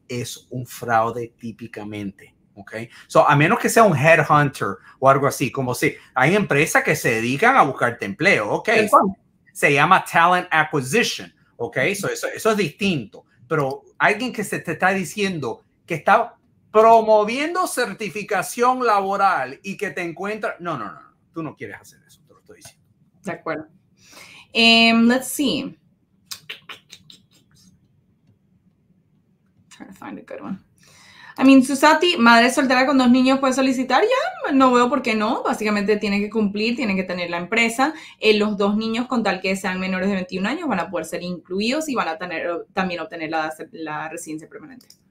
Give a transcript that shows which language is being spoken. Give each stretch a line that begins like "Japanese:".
Spanish: Es un fraude típicamente. Okay. So, a menos que sea un headhunter o algo así, como si hay empresas que se dedican a buscarte empleo. Okay. Se llama talent acquisition. Okay. So, eso es distinto. Pero alguien que se te está diciendo que está promoviendo certificación laboral y que te encuentra. No. Tú no quieres hacer eso. Te lo estoy diciendo. De acuerdo.
English: Let's see. I'm trying to find a good one.
Spanish: I mean, Susati, madre soltera con dos niños puede solicitar, ya, no veo por qué no. Básicamente tiene que cumplir, tiene que tener la empresa. Los dos niños, con tal que sean menores de 21 años, van a poder ser incluidos y van a tener también obtener la residencia permanente.